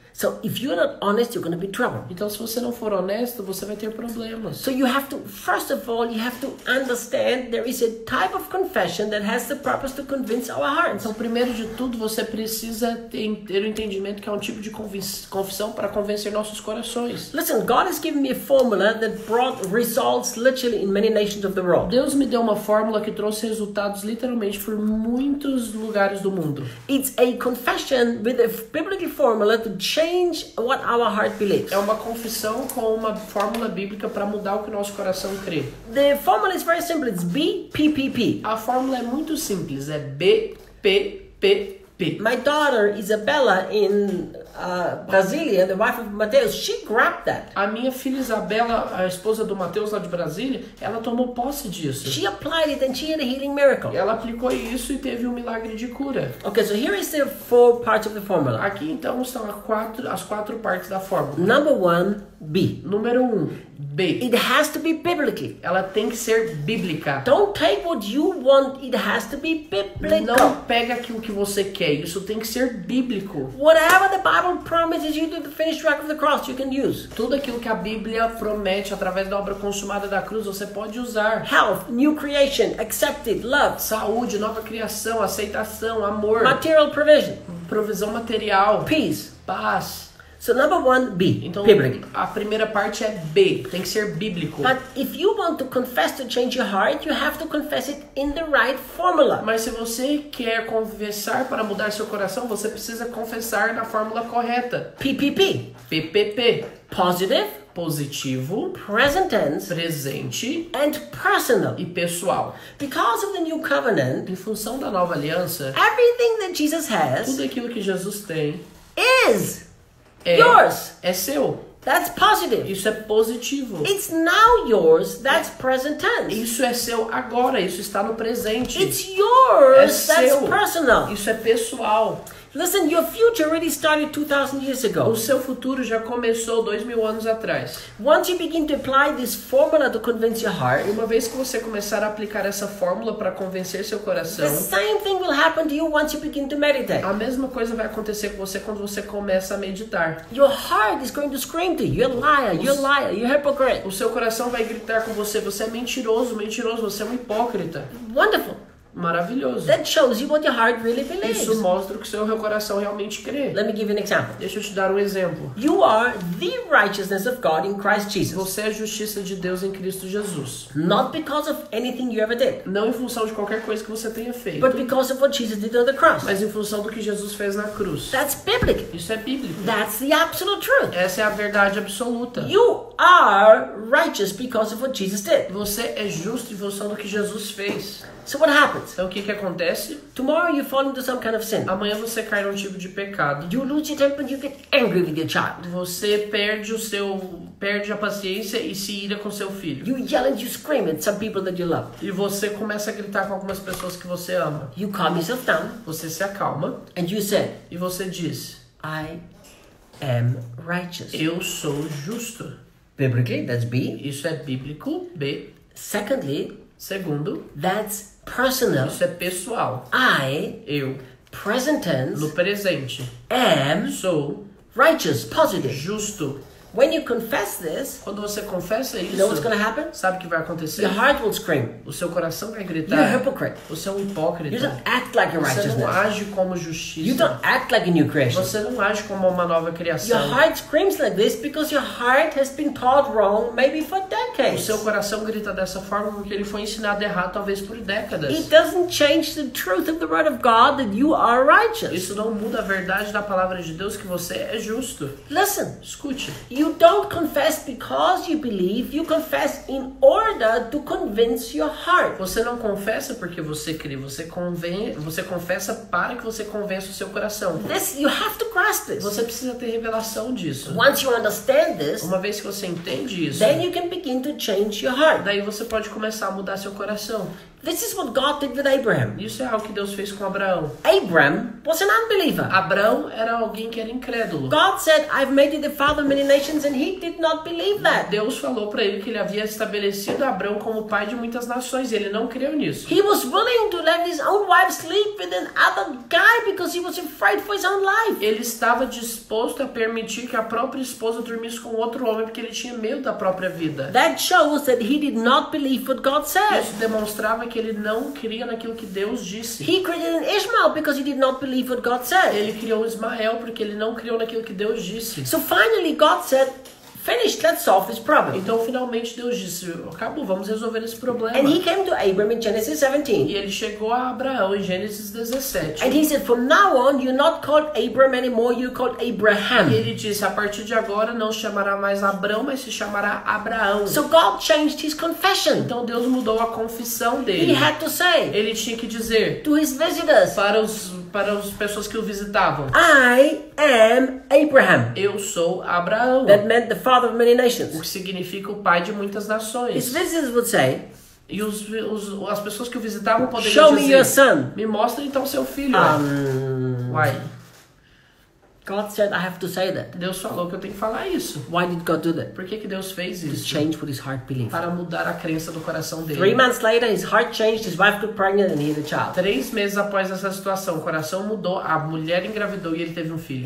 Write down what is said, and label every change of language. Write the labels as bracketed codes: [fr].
[en] So if you're not honest, you're going to be trouble. [pt] Então se você não for honesto, você vai ter problemas. [en] So you have to, first of all, you have to understand there is a type of confession that has the purpose to convince our hearts. [pt] Então primeiro de tudo, você precisa ter o entendimento que é um tipo de confissão para convencer nossos corações. [en] Listen, God has given me a formula that brought results literally in many nations of the world. [pt] Deus me deu uma fórmula que trouxe resultados literalmente por muitos lugares do mundo. [en] It's a confession with a biblical formula to change what our heart believes. [pt] É uma confissão com uma fórmula bíblica para mudar o que nosso coração crê. [en] The formula is very simple. It's BPPP. [pt] A fórmula é muito simples. É B P P P. [en] My daughter Isabella in Brasília, the wife of Mateus, she grabbed that. [pt] A minha filha Isabella, a esposa do Mateus lá de Brasília, ela tomou posse disso. [en] She applied it and she had a healing miracle. [pt] Ela aplicou isso e teve um milagre de cura. [en] Okay, so here is the four parts of the formula. [pt] Aqui então são as quatro partes da fórmula. [en] Number one, B. [pt] Número um, B. [en] It has to be biblical. [pt] Ela tem que ser bíblica. [en] Don't take what you want. It has to be biblical. [pt] Não pega aquilo que você quer. Isso tem que ser bíblico. [en] Whatever the Bible promises you to the finished work of the cross, you can use. [pt] Tudo aquilo que a Bíblia promete através da obra consumada da cruz, você pode usar. [en] Health, new creation, accepted, love. [pt] Saúde, nova criação, aceitação, amor. [en] Material provision. [pt] Provisão material. [en] Peace. [pt] Paz. [en] So number one, B. [pt] Então, [en] biblical. [pt] A primeira parte é B. Tem que ser bíblico. [en] But if you want to confess to change your heart, you have to confess it in the right formula. [pt] Mas se você quer confessar para mudar seu coração, você precisa confessar na fórmula correta. [en] PPP. [pt] PPP. [en] Positive. [pt] Positivo. [en] Present tense. [pt] Presente. [en] And personal. [pt] E pessoal. [en] Because of the new covenant. [pt] Em função da nova aliança. [en] Everything that Jesus has. [pt] Tudo aquilo que Jesus tem. [en] Is. Yours. [pt] É seu. [en] That's positive. [pt] Isso é positivo. [en] It's now yours. That's present tense. [pt] Isso é seu agora. Isso está no presente. [en] It's yours. [pt] É [en] that's [pt] seu. [en] Personal. [pt] Isso é pessoal. [en] Listen, your future already started 2,000 years ago. [pt] O seu futuro já começou 2,000 anos atrás. [en] Once you begin to apply this formula to convince your heart, [pt] uma vez que você começar a aplicar essa fórmula para convencer seu coração, [en] the same thing will happen to you once you begin to meditate. [pt] A mesma coisa vai acontecer com você quando você começa a meditar. [en] Your heart is going to scream to you, you're a liar, you're a hypocrite. [pt] O seu coração vai gritar com você, você é mentiroso, você é um hipócrita. [en] Wonderful. [pt] Maravilhoso. [en] That shows you what your heart really believes. [pt] Isso mostra o que seu coração realmente crê. [en] Let me give you an example. [pt] Deixa eu te dar um exemplo. [en] You are the righteousness of God in Christ Jesus. [pt] Você é a justiça de Deus em Cristo Jesus. [en] Not because of anything you ever did. [pt] Não em função de qualquer coisa que você tenha feito. [en] But because of what Jesus did on the cross. [pt] Mas em função do que Jesus fez na cruz. [en] That's biblical. [pt] Isso é bíblico. [en] That's the absolute truth. [pt] Essa é a verdade absoluta. [en] You are righteous because of what Jesus did. [pt] Você é justo em função do que Jesus fez. [en] So what happens? [pt] Então o que acontece? [en] Tomorrow you fall into some kind of sin. [pt] Amanhã você cai num tipo de pecado. [en] You lose your temper and you get angry with your child. [pt] Você perde a paciência e se ira com seu filho. [en] You yell and you scream at some people that you love. [pt] E você começa a gritar com algumas pessoas que você ama. [en] You calm yourself down. [pt] Você se acalma. [en] And you say. [pt] E você diz. [en] I am righteous. [pt] Eu sou justo. [en] Biblically, that's B. [pt] Isso é bíblico, B. [en] Secondly. [pt] Segundo. [en] That's personal. [pt] Isso é pessoal. Eu. [en] Present tense. [pt] No presente. [en] Am. [pt] Sou. [en] Righteous. Positive. [pt] Justo. [en] When you confess this. [pt] Quando você confessa isso. [en] You know what's gonna happen? [pt] Sabe o que vai acontecer? [en] Your heart will scream. [pt] O seu coração vai gritar. [en] You're a hypocrite. [pt] Você é um hipócrita. [en] You don't act like a righteousness. [pt] Você não age como justiça. [en] You don't act like a new creation. [pt] Você não age como uma nova criação. [en] Your heart screams like this because your heart has been taught wrong maybe for decades. [pt] O seu coração grita dessa forma porque ele foi ensinado errado talvez por décadas. [en] It doesn't change the truth of the word of God that you are righteous. [pt] Isso não muda a verdade da palavra de Deus que você é justo. [en] Listen. [pt] Escute. [en] You don't confess because you believe, you confess in order to convince your heart. [pt] Você não confessa porque você crê, você confessa para que você convença o seu coração. [en] This, you have to grasp this. [pt] Você precisa ter revelação disso. [en] Once you understand this, [pt] uma vez que você entende isso, [en] then you can begin to change your heart. [pt] Daí você pode começar a mudar seu coração. [en] This is what God did with Abraham. [pt] Isso é algo que Deus fez com Abraão. [en] Abraham was an unbeliever. [pt] Abraão era alguém que era incrédulo. [en] God said, "I've made you the father of many nations," and he did not believe that. [pt] Deus falou para ele que ele havia estabelecido Abraão como pai de muitas nações, e ele não creu nisso. [en] He was willing to let his own wife sleep with another guy because he was afraid for his own life. [pt] Ele estava disposto a permitir que a própria esposa dormisse com outro homem porque ele tinha medo da própria vida. [en] That shows that he did not believe what God said. [pt] Isso demonstrava que ele não cria naquilo que Deus disse. [en] He created an Ishmael because he did not believe what God said. [pt] Ele criou um Ismael porque ele não criou naquilo que Deus disse. [en] So finally God said, finished, let's solve this problem. [pt] Então finalmente Deus disse, acabou, vamos resolver esse problema. [en] And he came to Abraham in Genesis 17. [pt] E ele chegou a Abraão em Gênesis 17. [en] And he said, from now on, you're not called Abram anymore, you're called Abraham. [pt] E ele disse, a partir de agora não se chamará mais Abraão, mas se chamará Abraão. [en] So God changed his confession. [pt] Então Deus mudou a confissão dele. [en] He had to say. [pt] Ele tinha que dizer. [en] To his visitors. [pt] Para as pessoas que o visitavam. [en] I am Abraham. [pt] Eu sou Abraão. [en] That meant the father of many nations. [pt] O que significa o pai de muitas nações. [en] His visitors would say. [pt] E as pessoas que o visitavam poderiam [en] show [pt] dizer. [en] Show me your son. [pt] Me mostre então seu filho. [en] Why? God said I have to say that. [pt] Deus falou que eu tenho que falar isso. [en] Why did God do that? [pt] Por que Deus fez isso? [en] To change what his heart believed. [pt] Para mudar a crença do coração dele. [en] 3 months later, his heart changed, his wife got pregnant and he had a child. [pt] 3 meses após essa situação, o coração mudou, a mulher engravidou e ele teve um filho.